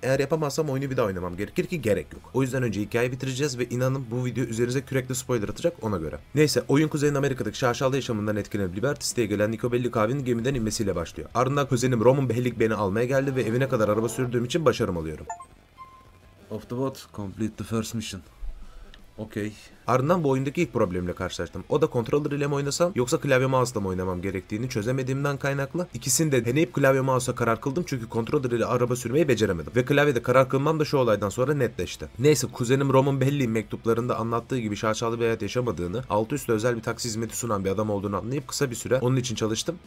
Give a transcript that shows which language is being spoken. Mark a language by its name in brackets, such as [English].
[Turkish] Eğer yapamazsam oyunu bir daha oynamam gerekir ki gerek yok. O yüzden önce hikayeyi bitireceğiz ve inanın bu video üzerinize kürekli spoiler atacak ona göre. Neyse, oyun Kuzey Amerika'daki şaşalı yaşamından etkilenip Liberty City'ye gelen Nico Bellicavi'nin gemiden inmesiyle başlıyor. Ardından kuzenim Roman Behlik beni almaya geldi ve evine kadar araba sürdüğüm için başarım alıyorum. [English] Of the boat, complete the first mission. Okay. [Turkish] Ardından bu oyundaki ilk problemle karşılaştım. O da kontroller ile mi oynasam yoksa klavye mouse ile mi oynamam gerektiğini çözemediğimden kaynaklı. İkisini de deneyip klavye mouse'a karar kıldım çünkü kontroller ile araba sürmeyi beceremedim. Ve klavyede karar kılmam da şu olaydan sonra netleşti. Neyse, kuzenim Roman Belli'nin mektuplarında anlattığı gibi şaşalı bir hayat yaşamadığını, altı üstü özel bir taksi hizmeti sunan bir adam olduğunu anlayıp kısa bir süre onun için çalıştım.